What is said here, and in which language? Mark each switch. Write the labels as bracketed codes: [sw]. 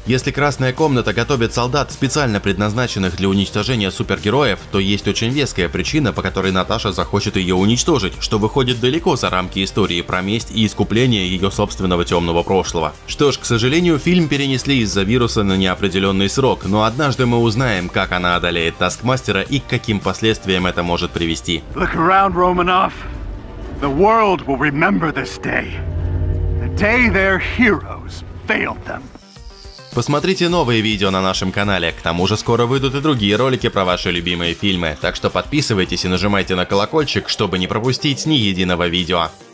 [ru] Если Красная Комната готовит солдат, специально предназначенных для уничтожения супергероев, то есть очень веская причина, по которой Наташа захочет ее уничтожить, что выходит далеко за рамки истории про месть и искупление ее собственного темного прошлого. Что ж, к сожалению, фильм перенесли из-за вируса на неопределенный срок, но однажды мы узнаем, как она одолеет Таскмастера и к каким последствиям это может привести. [en] Look around, Romanoff. The world will remember this day. The day their heroes failed them. [ru] Посмотрите новые видео на нашем канале, к тому же скоро выйдут и другие ролики про ваши любимые фильмы, так что подписывайтесь и нажимайте на колокольчик, чтобы не пропустить ни единого видео.